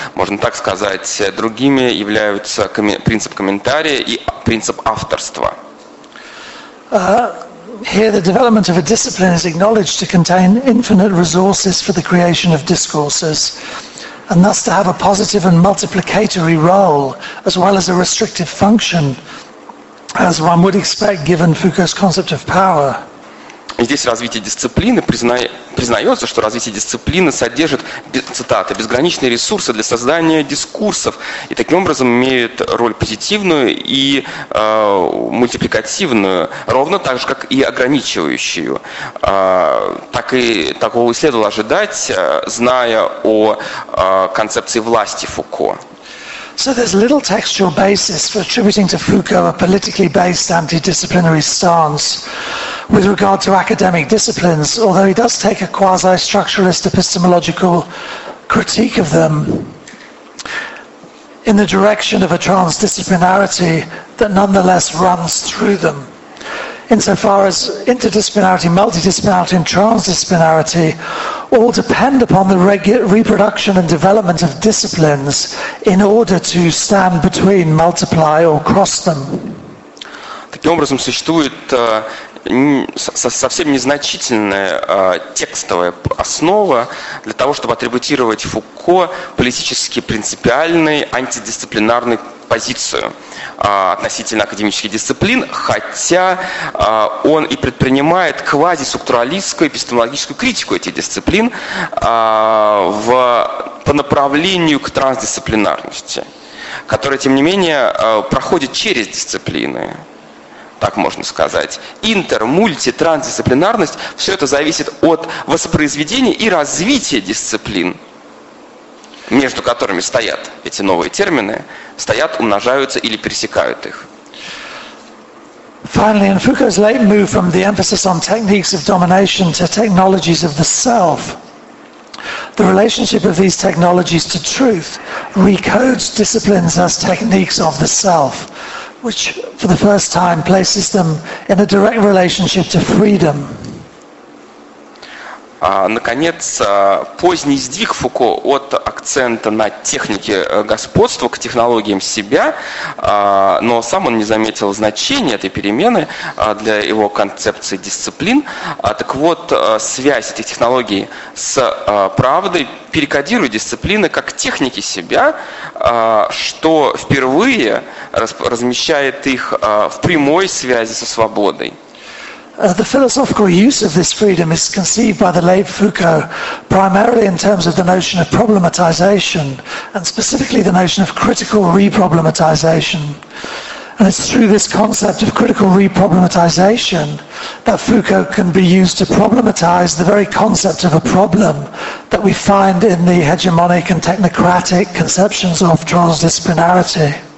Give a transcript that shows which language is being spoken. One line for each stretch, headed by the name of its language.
Russian: Можно так сказать, другими являются принцип комментария и принцип авторства.
English: Here the development of a discipline is acknowledged to contain infinite resources for the creation of discourses. And thus to have a positive and multiplicatory role, as well as a restrictive function, as one would expect given Foucault's concept of power.
Russian: Здесь развитие дисциплины признается, что развитие дисциплины содержит, цитата, безграничные ресурсы для создания дискурсов, и таким образом имеет роль позитивную и мультипликативную, ровно так же, как и ограничивающую. Такого и следовало ожидать, зная о концепции власти Фуко.
English: So there's little textual basis for attributing to Foucault a politically based anti-disciplinary stance with regard to academic disciplines, although he does take a quasi-structuralist epistemological critique of them in the direction of a transdisciplinarity that nonetheless runs through them. Insofar as interdisciplinarity, multidisciplinarity, and transdisciplinarity all depend upon the reproduction and development of disciplines in order to stand between, multiply, or cross them.
Russian: Таким образом, существует совсем незначительная текстовая основа для того, чтобы атрибутировать Фуко политически принципиальный антидисциплинарный позицию относительно академических дисциплин, хотя он и предпринимает квазиструктуралистскую эпистемологическую критику этих дисциплин по направлению к трансдисциплинарности, которая, тем не менее, проходит через дисциплины, так можно сказать. Интер-мульти-трансдисциплинарность – все это зависит от воспроизведения и развития дисциплин, между которыми стоят эти новые термины, стоят, умножаются или пересекают их.
English: Finally, in Foucault's late move from the emphasis on techniques of domination to technologies of the self, the relationship of these technologies to truth recodes disciplines as techniques of the self, which for the first time places them in a direct relationship to freedom.
Russian: Наконец, поздний сдвиг Фуко от акцента на технике господства к технологиям себя, но сам он не заметил значения этой перемены для его концепции дисциплин. Так вот, связь этих технологий с правдой перекодирует дисциплины как техники себя, что впервые размещает их в прямой связи со свободой.
English: The philosophical use of this freedom is conceived by the late Foucault primarily in terms of the notion of problematization, and specifically the notion of critical reproblematization. And it's through this concept of critical reproblematization that Foucault can be used to problematize the very concept of a problem that we find in the hegemonic and technocratic conceptions of transdisciplinarity.